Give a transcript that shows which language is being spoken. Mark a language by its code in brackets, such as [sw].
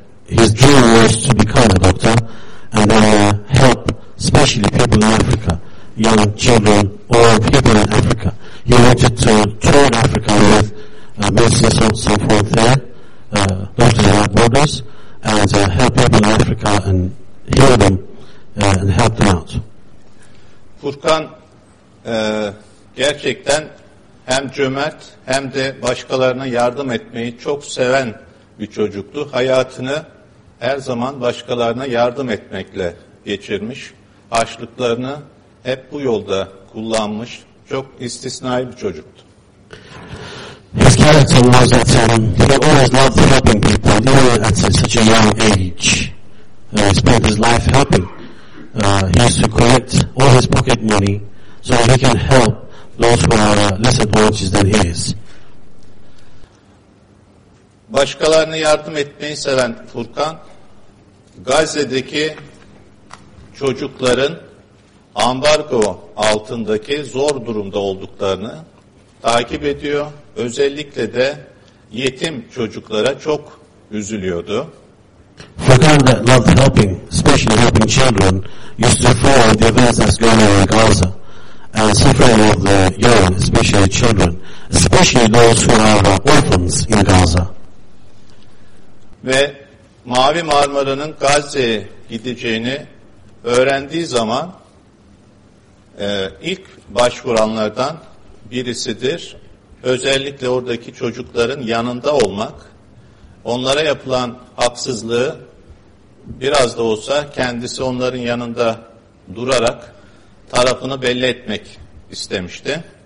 [en] His dream was to become a doctor and then help especially people in Africa, young children or people in Africa. He wanted to tour Africa with medicine and so forth there, Doctors Without Borders, and help people in Africa and heal them and help them out. [tr] Furkan gerçekten hem cömert hem de başkalarına yardım etmeyi çok seven bir çocuktu. Hayatını her zaman başkalarına yardım etmekle geçirmiş. Açlıklarını hep bu yolda kullanmış. Çok istisnai bir çocuktu. [en] His character was that he always loved helping people, even at such a young age. He spent his life helping. He used to collect all his pocket money so he can help those who are less advantaged than he is. [tr] Başkalarına yardım etmeyi seven Furkan, Gazze'deki çocukların ambargo altındaki zor durumda olduklarını takip ediyor. Özellikle de yetim çocuklara çok üzülüyordu. [en] Furkan loved helping, especially helping children, used to follow the events that's going on in Gaza and suffering of the young, especially children, especially those who are orphans in Gaza. [tr] Ve Mavi Marmara'nın Gazze'ye gideceğini öğrendiği zaman ilk başvuranlardan birisidir. Özellikle oradaki çocukların yanında olmak, onlara yapılan haksızlığı biraz da olsa kendisi onların yanında durarak tarafını belli etmek istemişti.